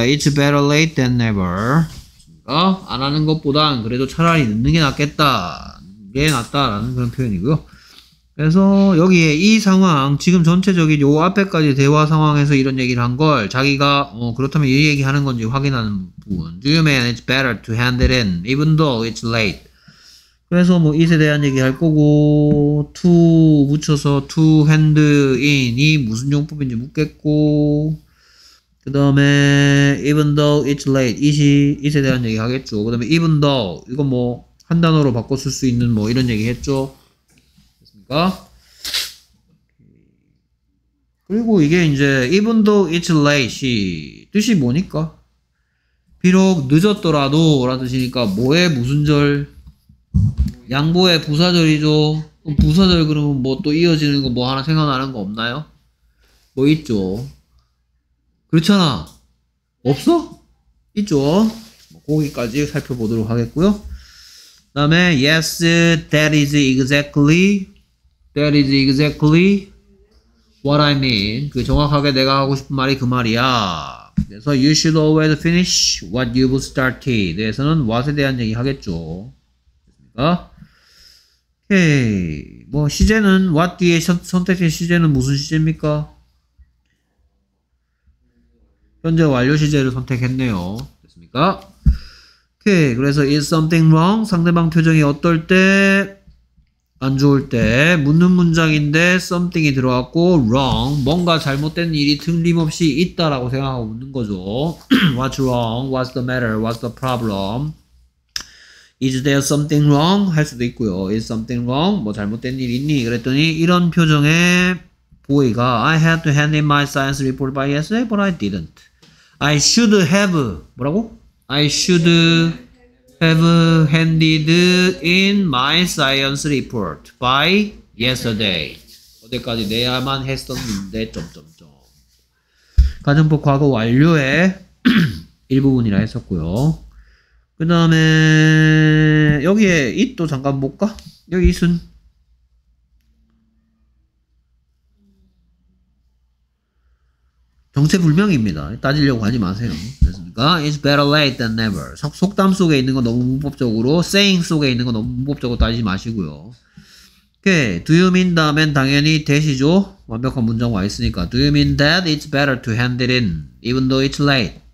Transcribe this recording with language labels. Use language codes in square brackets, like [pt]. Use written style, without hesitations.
[en] It's better late than never. [ko] 아, 안 하는 것보단 그래도 차라리 늦는 게 낫겠다. 게 낫다라는 그런 표현이고요. 그래서 여기에 이 상황 지금 전체적인 요 앞에까지 대화 상황에서 이런 얘기를 한 걸 자기가 그렇다면 이 얘기 하는 건지 확인하는 부분. [en] Do you mean it's better to hand it in even though it's late? [ko] 그래서 뭐 it에 대한 얘기 할 거고 to 붙여서 to hand in이 무슨 용법인지 묻겠고 그 다음에 even though it's late it에 대한 얘기 하겠죠. 그 다음에 even though 이거 뭐 한 단어로 바꿔 쓸 수 있는 뭐 이런 얘기 했죠. 그리고 이게 이제 even though it's late이 뜻이 뭐니까 비록 늦었더라도 라는 뜻이니까 뭐에 무슨 절 양보의 부사절이죠. 부사절 그러면 뭐 또 이어지는 거 뭐 하나 생각나는 거 없나요? 뭐 있죠. 그렇잖아. 없어? 있죠. 거기까지 살펴보도록 하겠고요. 그 다음에 [en] yes that is exactly That is exactly what I mean. [ko] 그 정확하게 내가 하고 싶은 말이 그 말이야. 그래서 [en] you should always finish what you've started. [ko] 대해서는 what에 대한 얘기 하겠죠. 됐습니까? 오케이. 뭐 시제는 what 뒤에 선택된 시제는 무슨 시제입니까? 현재 완료 시제를 선택했네요. 됐습니까? 오케이. 그래서 [en] is something wrong? [ko] 상대방 표정이 어떨 때? 안 좋을 때 묻는 문장인데 something이 들어왔고 wrong 뭔가 잘못된 일이 틀림없이 있다라고 생각하고 묻는 거죠. [en] What's wrong? What's the matter? What's the problem? Is there something wrong? 할 수도 있고요. Is something wrong? [ko] 뭐 잘못된 일 있니? 그랬더니 이런 표정에 보이가 [en] I had to hand in my science report by yesterday but I didn't. I should have [ko] 뭐라고? [en] I should have handed in my science report by yesterday. [ko] 어제까지 내야만 했었는데 점점점. 가정법 과거 완료의 일부분이라 했었고요. 그 다음에 여기에 it도 잠깐 볼까? 여기 it은 정체불명입니다. 따지려고 하지 마세요. 됐습니까? [en] It's better late than never. [ko] 속담 속에 있는 거 너무 문법적으로, saying 속에 있는 거 너무 문법적으로 따지지 마시고요. [en] Okay. Do you mean [ko] 다음엔 당연히 [en] that이죠? [ko] 완벽한 문장 와 있으니까. [en] Do you mean that it's better to hand it in, even though it's late?